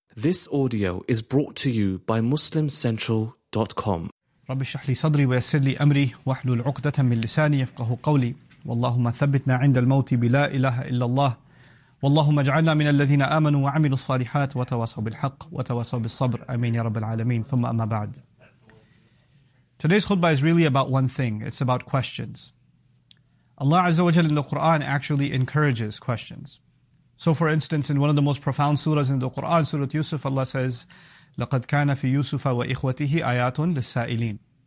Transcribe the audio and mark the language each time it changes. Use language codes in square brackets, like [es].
[en] This audio is brought to you by MuslimCentral.com. [ar] رب اشرح لي صدري ويسر لي أمري واحلل عقدة من لساني يفقه قولي واللهم ثبتنا عند الموت بلا إله إلا الله واللهم اجعلنا من الذين آمنوا وعملوا الصالحات وتواصوا بالحق وتواصوا بالصبر أمين يا رب العالمين ثم أما بعد. [en] Today's khutbah is really about one thing. It's about questions. Allah Azza wa Jalla in the Quran actually encourages questions. So for instance, in one of the most profound surahs in the Quran, Surah Yusuf, Allah says, [ar] لَقَدْ كَانَ فِي يُوسُفَ وَإِخْوَتِهِ آيَاتٌ لِلسَّائِلِينَ.